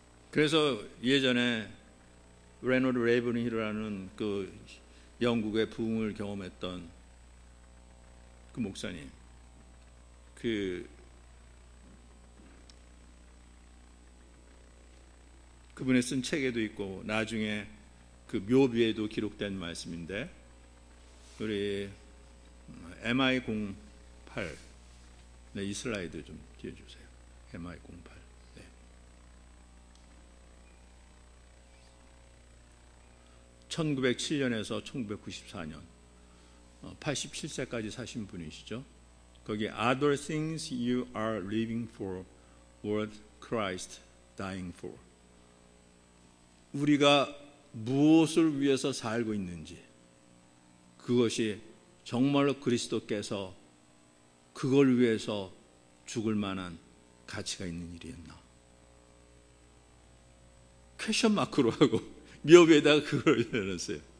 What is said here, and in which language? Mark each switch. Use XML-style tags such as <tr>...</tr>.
<ko>그래서 예전에 레너드 레이븐힐이라는 그 영국의 부흥을 경험했던 그 목사님, 그 그분의 쓴 책에도 있고 나중에 그 묘비에도 기록된 말씀인데, 우리 MI08, 네, 이 슬라이드 좀 띄워 주세요. MI08. 네. 1907년에서 1994년 87세까지 사신 분이시죠. 거기</ko> <en>Other things you are living for worth Christ dying for.</en> <ko>우리가 무엇을 위해서 살고 있는지, 그것이 정말로 그리스도께서 그걸 위해서 죽을 만한 가치가 있는 일이었나? 퀘션마크로 하고 묘비에다가 그걸 내놨어요.</ko>